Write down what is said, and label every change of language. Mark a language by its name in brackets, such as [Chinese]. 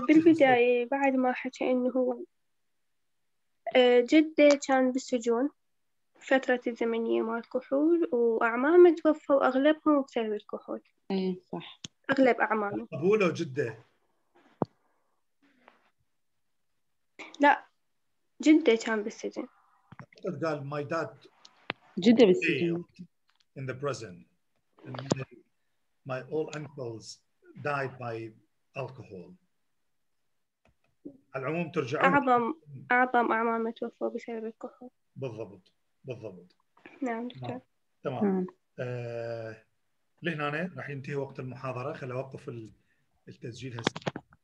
[Arabic] بالبداية بعد ما حكى انه جده كان بالسجون فترة الزمنية مع الكحول واعمامه توفوا اغلبهم بسبب الكحول اي صح اغلب اعمامه ابوه لو جده لا جدة كان بالسجن. أعتقد قال [English] my dad. [Arabic] جدة بالسجن. [English] In the prison, my all uncles died by [Arabic] الكحول. على العموم ترجعون أعظم أعظم أعمام توفى بسبب الكحول. بالضبط بالضبط. نعم دكتور. تمام. لهنا راح ينتهي وقت المحاضرة. خلي أوقف التسجيل هسه.